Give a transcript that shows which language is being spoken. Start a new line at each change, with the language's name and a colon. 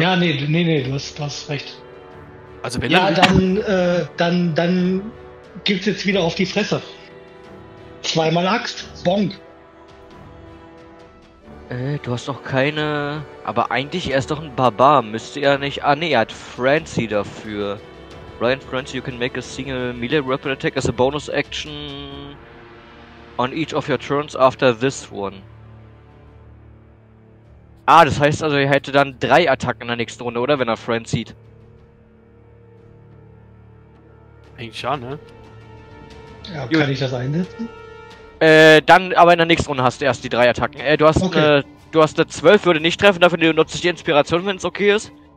German: Ja, nee, du hast recht. Also, wenn ja, dann gibt's jetzt wieder auf die Fresse. Zweimal Axt, bonk. Du hast noch keine... Aber eigentlich, er ist doch ein Barbar, müsste er nicht... Ah ne, er hat Francie dafür.
English: Ryan Francie, you can make a single melee weapon attack as a bonus action on each of your turns after this one.
German: Ah, das heißt also, er hätte dann drei Attacken in der nächsten Runde, oder? Wenn er Francie. Eigentlich schon, ne? Ja, gut. Kann ich das einsetzen? Dann aber in der nächsten Runde hast du erst die drei Attacken. Du hast okay. Du hast eine 12, würde nicht treffen, dafür nutze ich die Inspiration, wenn es okay ist.